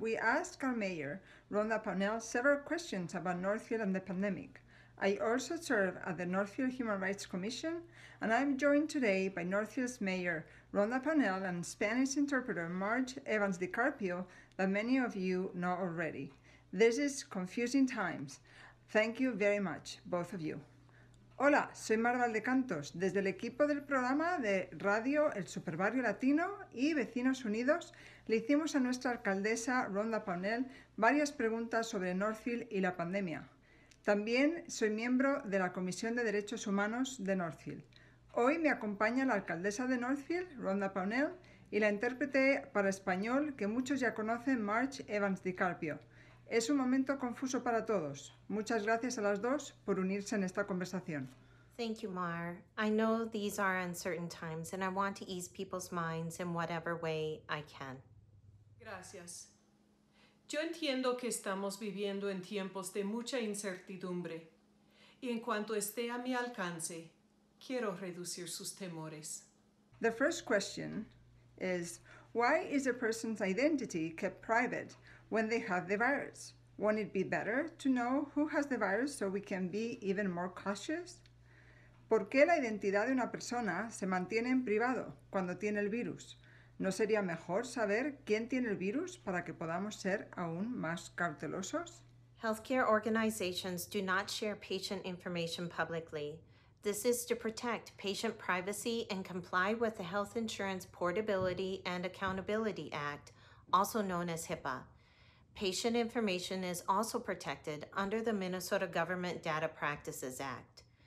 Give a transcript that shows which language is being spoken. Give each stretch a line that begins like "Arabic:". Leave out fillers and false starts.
English: We asked our mayor, Rhonda Pownell, several questions about Northfield and the pandemic. I also serve at the Northfield Human Rights Commission, and I'm joined today by Northfield's mayor, Rhonda Pownell, and Spanish interpreter, Marge Evans DiCarpio, that many of you know already. This is confusing times. Thank you very much, both of you.
Spanish: Hola, soy Marval de Cantos, desde el equipo del programa de radio El Superbarrio Latino y Vecinos Unidos, le hicimos a nuestra alcaldesa Rhonda Pownell varias preguntas sobre Northfield y la pandemia. También soy miembro de la Comisión de Derechos Humanos de Northfield. Hoy me acompaña la alcaldesa de Northfield, Rhonda Pownell, y la intérprete para español que muchos ya conocen, Marge Evans DiCarpio. Es un momento confuso para todos. Muchas gracias a las dos por unirse en esta conversación.
English: Thank you, Mar. I know these are uncertain times and I want to ease people's minds in whatever way I can.
Spanish: Gracias. Yo entiendo que estamos viviendo en tiempos de mucha incertidumbre y en cuanto esté a mi alcance, quiero reducir sus temores.
English: The first question is, why is a person's identity kept private when they have the virus? Won't it be better to know who has the virus so we can be even more cautious?
Spanish: ¿Por qué la identidad de una persona se mantiene en privado cuando tiene el virus? ¿No sería mejor saber quién tiene el virus para que podamos ser aún más cautelosos?
English: Healthcare organizations do not share patient information publicly. This is to protect patient privacy and comply with the Health Insurance Portability and Accountability Act, also known as HIPAA. Patient information is also protected under the Minnesota Government Data Practices Act.